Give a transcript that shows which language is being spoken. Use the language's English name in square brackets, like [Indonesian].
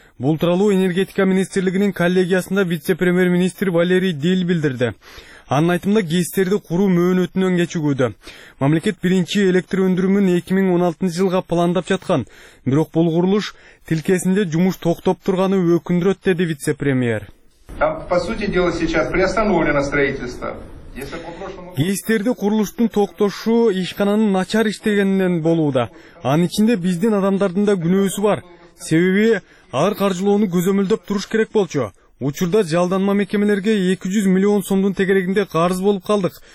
[Kyrgyz] Бул тууралуу энергетика министрлигинин коллегиясында вице-премьер-министр Валерий Дил билдирди. Анын айтымында гестерди куруу мөөнөтүнөн кечигүүдө. Мамлекет биринчи электр өндүрүмүн 2016 жылга пландап жаткан, бирок бул курулуш тилкесинде жумуш токтоп турганы өкүндүрөт, деди вице-премьер. [Russian] По сути дела сейчас приостановлено строительство. [Kyrgyz] Гейстерди курулуштун токтошу ишкананын начар иштегенинен болууда. Анын ичинде биздин адамдардын да күнөөсү бар. Себеби алар каржылоону көзөмөлдөп туруш керек болчу. Учурда жалданма мекемелерге 200 миллион сомдун тегерегинде карыз болуп калдык.